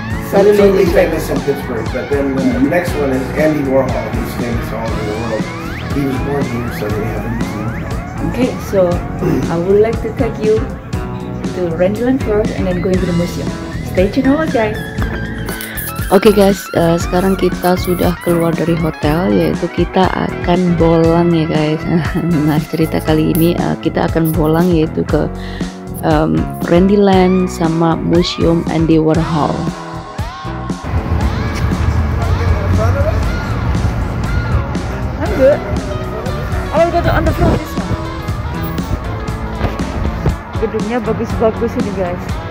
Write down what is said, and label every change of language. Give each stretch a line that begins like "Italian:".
English: suddenly it's famous in Pittsburgh, but then the next one is Andy Warhol, who's famous all over the world. He was born here, so we have a museum. Okay, so I would like to take you to Randy Land first and then going to the museum. Stay tuned all, guys.
Indonesian: Okay guys, sekarang kita sudah keluar dari hotel, yaitu kita akan bolang ya guys. Nah, cerita kali ini kita akan bolang yaitu ke Randy Land sama Museum Andy Warhol.
English: Good. I will go to on the front this one.
Indonesian: Gedungnya bagus-bagus ini guys.